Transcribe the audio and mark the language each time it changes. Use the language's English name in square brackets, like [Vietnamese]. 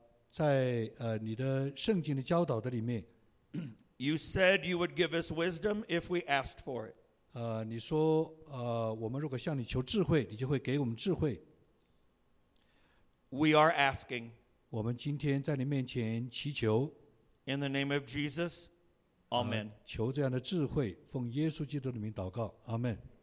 [Chinese] 在你的圣经的教导的里面。 [English] You said you would give us wisdom if we asked for it. [Chinese] 你说我们如果向你求智慧，你就会给我们智慧。 [English] We are asking. [Chinese] 我们今天在你面前祈求。 [English] In the name of Jesus, Amen. [Chinese] 求这样的智慧，奉耶稣基督的名祷告， Amen.